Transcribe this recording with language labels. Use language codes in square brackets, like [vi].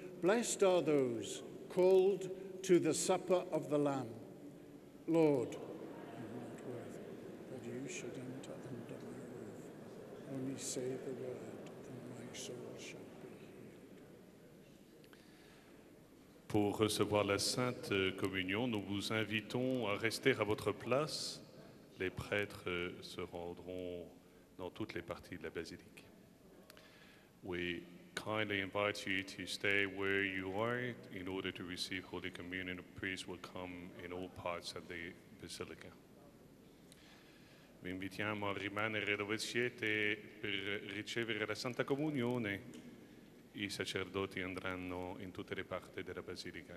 [en] Blessed are those called to the supper of the Lamb. Lord, I am not worthy that you should enter under my roof. Only say the word, and my soul shall be healed. [fr] Pour recevoir la Sainte Communion, nous vous invitons à rester à votre place. Les prêtres se rendront dans toutes les parties de la basilique. [en] We kindly invite you to stay where you are in order to receive Holy Communion. The priest will come in all parts of the basilica. [it] Vi invitiamo a rimanere dove siete per ricevere la Santa Comunione. I sacerdoti andranno in tutte le parti della basilica.